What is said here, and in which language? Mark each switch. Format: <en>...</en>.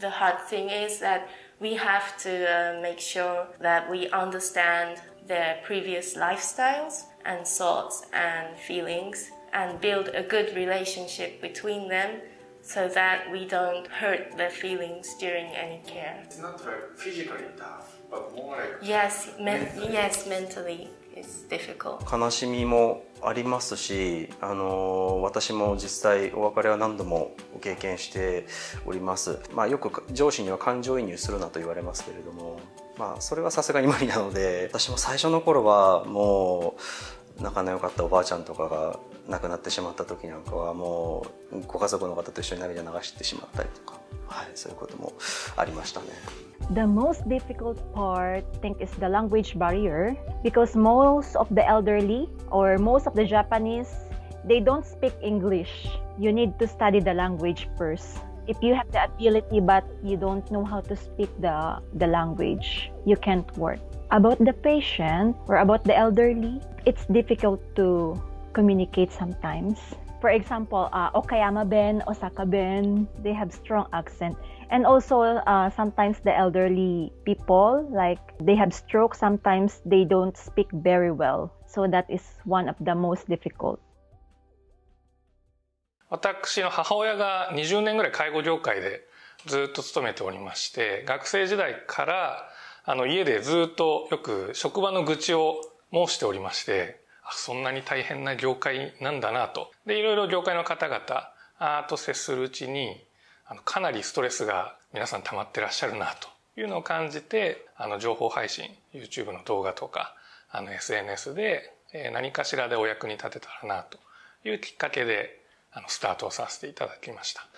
<en>The hard thing is that we have to make sure that we understand their previous lifestyles and thoughts and feelings and build a good relationship between them, so that we don't hurt their feelings during any care. It's not very physically tough, but more like... Yes, mentally it's difficult.</en> <ja>悲しみもありますし、私も実際お別れは何度も経験しております。まあよく上司には感情移入するなと言われますけれども、まあそれはさすがに無理なので、私も最初の頃はもう仲の良かったおばあちゃんとかが亡くなってしまった時なんかはもうご家族の方と一緒に涙流してしまったりとか、はい、そういうこともありましたね。</ja> <en>The most difficult part I think is the language barrier, because most of the elderly or most of the Japanese, they don't speak English. You need to study the language first. If you have the ability but you don't know how to speak the language, you can't work. About the patient or about the elderly, it's difficult to communicate sometimes. For example, Okayama Ben, Osaka Ben, they have strong accent. And also sometimes the elderly people, like they have stroke, sometimes they don't speak very well. So that is one of the most difficult.</en> <ja>私の母親が20年ぐらい介護業界でずっと勤めておりまして、学生時代から家でずっとよく職場の愚痴を申しておりまして、あ、そんなに大変な業界なんだなと。で、いろいろ業界の方々と接するうちに、かなりストレスが皆さん溜まってらっしゃるなというのを感じて、情報配信、YouTube の動画とか、SNS で何かしらでお役に立てたらなというきっかけで、スタートをさせていただきました。</ja>